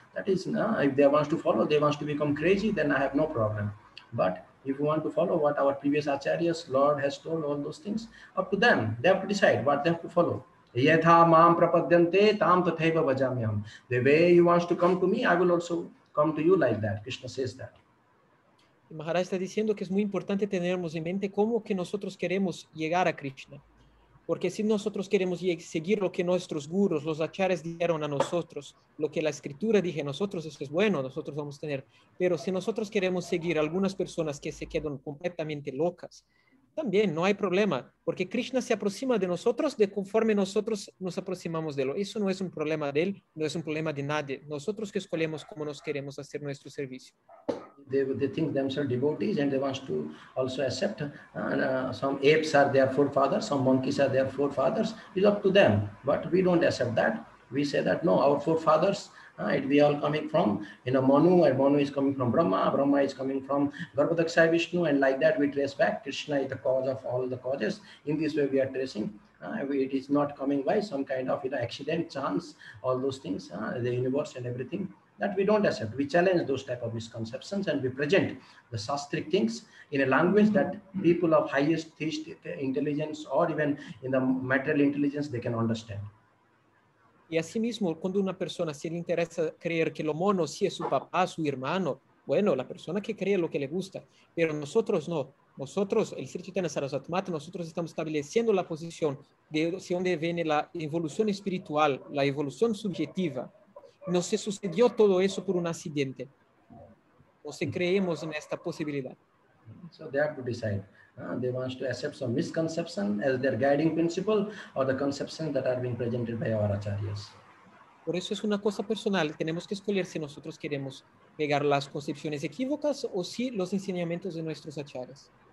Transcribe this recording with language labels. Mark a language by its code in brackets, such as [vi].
[en] That is, if they want to follow, they want to become crazy, then I have no problem. But if you want to follow what our previous acharyas, Lord has told, all those things, up to them. They have to decide what they have to follow. [sa] Yatha mam prapadyante tam tathaiva vajamyam. [en] The way you want to come to me, I will also come to you like that. Krishna says that. [es] Maharaj está diciendo que es muy importante tenernos en mente cómo que nosotros queremos llegar a Krishna. Porque si nosotros queremos seguir lo que nuestros gurus, los acharyas, dijeron a nosotros, lo que la escritura dice a nosotros, eso es bueno, nosotros vamos a tener. Pero si nosotros queremos seguir algunas personas que se quedan completamente locas, también no hay problema, porque Krishna se aproxima de nosotros de conforme nosotros nos aproximamos de él. Eso no es un problema de él, no es un problema de nadie. Nosotros que escolhemos cómo nos queremos hacer nuestro servicio. [en] If they think themselves devotees and they want to also accept some apes are their forefathers, some monkeys are their forefathers. It's up to them. But we don't accept that. We say that no, our forefathers, we all coming from, you know, Manu, and Manu is coming from Brahma, Brahma is coming from Garbhodakshaya Vishnu, and like that we trace back. Krishna is the cause of all the causes. In this way we are tracing. It is not coming by some kind of, you know, accident, chance, all those things, the universe and everything. That we don't accept. We challenge those type of misconceptions and we present the Shastric things in a language that people of highest intelligence or even in the material intelligence, they can understand. [es] Y asimismo, cuando una persona se le interesa creer que lo mono sí es su papá, su hermano, bueno, la persona que cree lo que le gusta, pero nosotros no. Nosotros, el Sri Chaitanya Sarasvatamata, nosotros estamos estableciendo la posición de donde viene la evolución espiritual, la evolución subjetiva. No se sucedió todo eso por un accidente. No se creemos en esta posibilidad. [en] So they have to decide. They want to accept some misconception as their guiding principle or the conception that are being presented by our acharyas. [es] Por eso es una cosa personal. Tenemos que escoger si nosotros queremos pegar las concepciones equívocas o si los enseñamientos de nuestros acharyas.